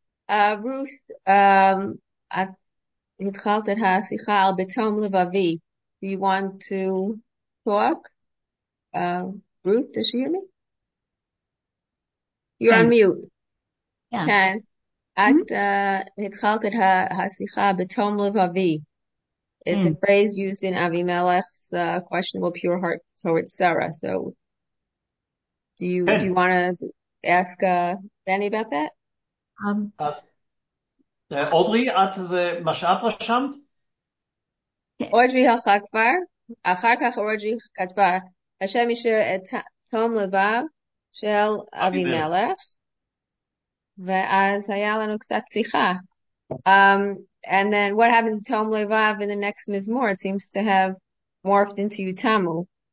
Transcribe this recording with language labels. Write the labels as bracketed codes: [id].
[he] Ruth, את התחלת את השיחה על בתום לבבי. [en] Do you want to talk? Ruth, does she hear me? You're on mute. [he] כן. את התחלת את השיחה בתום לבבי. [en] It's a phrase used in Avimelech's questionable pure heart towards Sarah. So do you want to ask Benny about that? [he] אודרי, את זה מה שאת רשמת? אודרי הלכה כבר. אחר כך אודרי כתבה, השם ישיר את תום לבב של אבימלך. ואז היה לנו קצת שיחה. [en] And then what happened to תום לבב in the next מזמור? It seems to have morphed into יתמו.